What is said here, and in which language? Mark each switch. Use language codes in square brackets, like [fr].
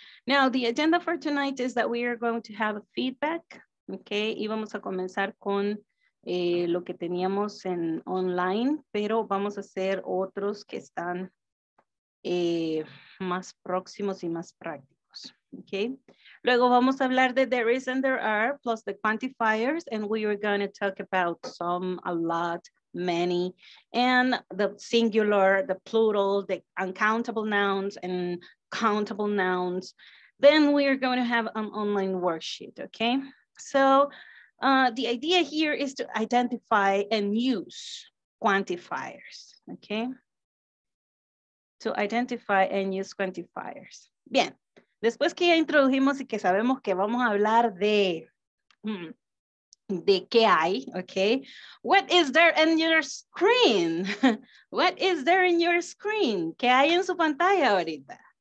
[en] Now the agenda for tonight is that we are going to have a feedback. Okay. [es] Y vamos a comenzar con lo que teníamos en online, pero vamos a hacer otros que están más próximos y más prácticos. [en] Okay, [es] luego vamos a hablar de [en] there is and there are plus the quantifiers, and we are going to talk about some, a lot, many, and the singular, the plural, the uncountable nouns and countable nouns. Then we are going to have an online worksheet, okay? So the idea here is to identify and use quantifiers, okay? To identify and use quantifiers. Bien. [es] Después que ya introdujimos y que sabemos que vamos a hablar de qué hay, okay? [en] What is there in your screen? What is there in your screen? [es] ¿Qué hay en su pantalla ahorita?